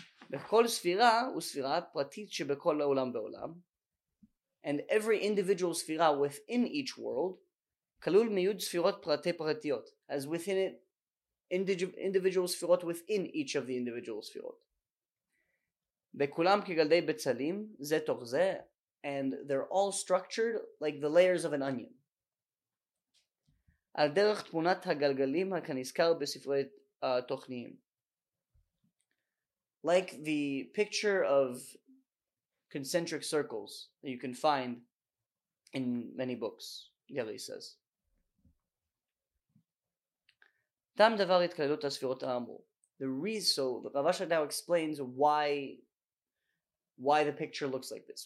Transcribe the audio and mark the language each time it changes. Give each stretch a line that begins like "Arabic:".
Hebrew: בכל ספירה וספירה פרטית שבכל העולם ועולם.
English: And every individual ספירה within each world
Hebrew: כלול מיוד ספירות פרטי פרטיות.
English: As within it, individual ספירות within each of the individual ספירות.
Hebrew: בכולם כגלדי בצלים, זה תוך זה.
English: And they're all structured like the layers of an onion.
Hebrew: על דרך תמונת הגלגלים הכנזכר בספרי תוכניים.
English: Like the picture of concentric circles that you can find in many books, Yeli says.
Hebrew: Tam davar itkalalut ha-sfirot ha-amur.
English: The reason, so Rav Asher now explains why the picture looks like this.